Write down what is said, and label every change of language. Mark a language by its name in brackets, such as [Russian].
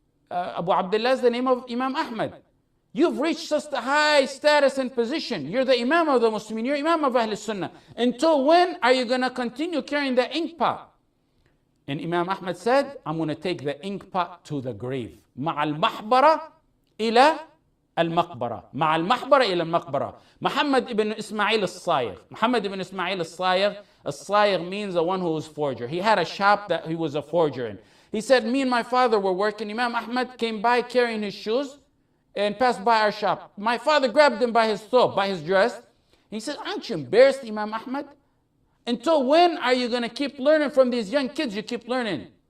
[English] Abu Abdullah is the name of Imam Ahmad. You've reached such a high status and position. You're the Imam of the Muslimin. You're Imam of Ahl Sunnah. Until when are you going to continue carrying the ink pot? And Imam Ahmad said, I'm going to take the ink pot to the grave. [Arabic] مع المحبرة إلى المقبرة. مع المحبرة إلى المقبرة. محمد ابن إسماعيل الصايغ. محمد ابن إسماعيل الصايغ. [English] الصايغ means the one who is forger. He had a shop that he was a forger in. He said, me and my father were working. Imam Ahmad came by carrying his shoes. and passed by our shop. My father grabbed him by his thobe, by his dress. He said, aren't you embarrassed, Imam Ahmad? Until when are you going to keep learning from these young kids? You keep learning.